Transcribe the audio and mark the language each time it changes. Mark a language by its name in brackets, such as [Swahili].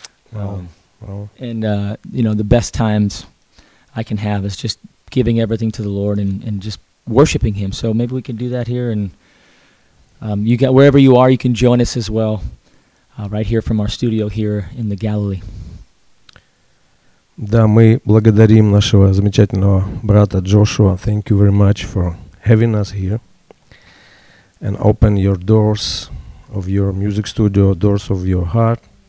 [English] the best times I can have is just giving everything to the Lord and just worshiping Him. So maybe we can do that here. And you got wherever you are, you can join us as well, right here from our studio here in the Galilee. [Russian] Да, мы благодарим нашего замечательного брата Джошуа. [English] Thank you very much for having us here. And open your doors of your music studio, doors of your heart.